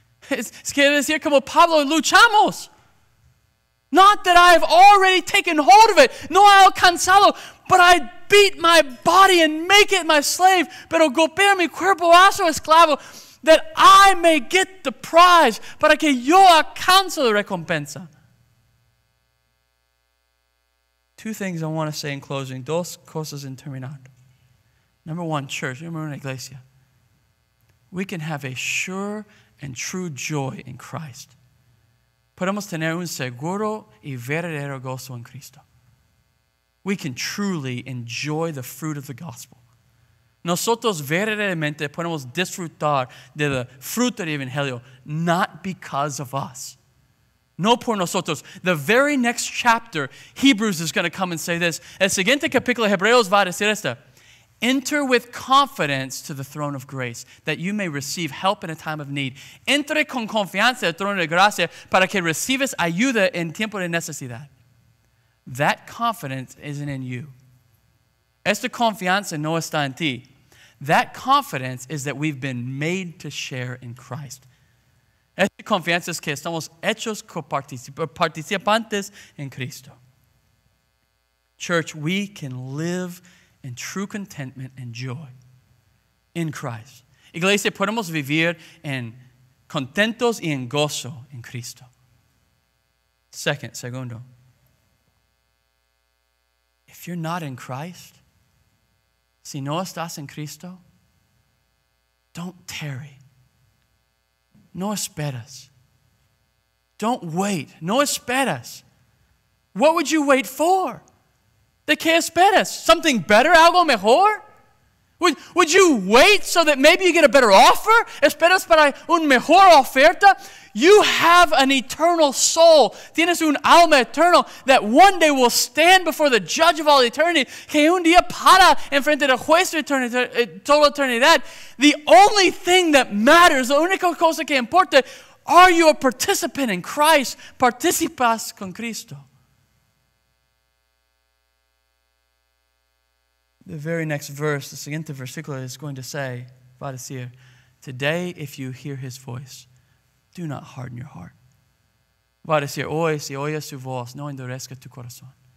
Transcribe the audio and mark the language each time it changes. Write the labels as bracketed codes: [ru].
[es] Es quiere decir como Pablo, luchamos. [en] Not that I've already taken hold of it, [es] no he alcanzado, [en] but I beat my body and make it my slave, [es] pero golpear mi cuerpo a su esclavo, [en] that I may get the prize, [es] para que yo alcance la recompensa. [en] Two things I want to say in closing, [es] dos cosas en terminar. [en] Number one, church, [es] número una, iglesia. [en] We can have a sure and true joy in Christ. [es] Podemos tener un seguro y verdadero gozo en Cristo. [en] We can truly enjoy the fruit of the gospel. [es] Nosotros verdaderamente podemos disfrutar de la fruta del evangelio, [en] not because of us. [es] No por nosotros. [en] The very next chapter, Hebrews is going to come and say this. [es] El siguiente capítulo de Hebreos va a decir esto. [en] Enter with confidence to the throne of grace, that you may receive help in a time of need. [es] Entre con confianza al trono de gracia para que recibas ayuda en tiempo de necesidad. [en] That confidence isn't in you. [es] Esta confianza no está en ti. [en] That confidence is that we've been made to share in Christ. [es] Esta confianza es que estamos hechos participantes en Cristo. [en] Church, we can live in true contentment and joy in Christ. [es] Iglesia, podemos vivir en contentos y en gozo en Cristo. Segundo. [en] If you're not in Christ, [es] si no estás en Cristo, [en] don't tarry. [es] No esperas. [en] Don't wait. [es] No esperas. [en] What would you wait for? [es] ¿De qué esperas? [en] Something better? [es] ¿Algo mejor? [en] Would you wait so that maybe you get a better offer? [es] ¿Esperas para un mejor oferta? [en] You have an eternal soul. [es] Tienes un alma eterna [en] that one day will stand before the judge of all eternity. [es] Que un día para enfrente del juez de toda eternidad. [en] The only thing that matters, [es] la única cosa que importa, [en] are you a participant in Christ? [es] Participas con Cristo. [en] The very next verse, the [es] siguiente versículo [en] is going to say, [es] va a decir, [en] today if you hear his voice, do not harden your heart. [es] Va a decir, hoy si oyes su voz, no endurezca tu corazón.